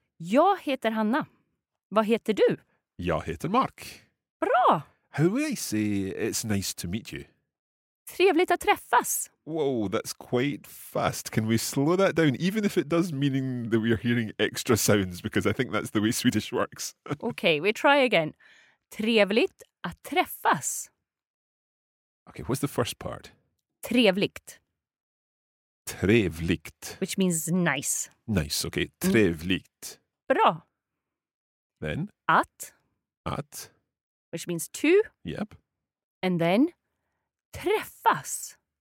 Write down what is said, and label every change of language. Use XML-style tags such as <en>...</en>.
<sv>Jag heter Hanna. Vad heter du? Jag heter Mark. Bra!</sv> <en>How would I say it's nice to meet you?</en> <sv>Trevligt att träffas.</sv> <en>Whoa, that's quite fast. Can we slow that down? Even if it does meaning that we are hearing extra sounds, because I think that's the way Swedish works. Okay, we try again. Trevligt att träffas. Okay, what's the first part?</en> <sv>Trevligt. Trevligt.</sv> <en>Which means nice. Nice, okay. Trevligt.</en> <sv>Bra.</sv> <en>Then?</en> <sv>Att. Att.</sv> <en>Which means to. Yep. And then? Träffas.</en>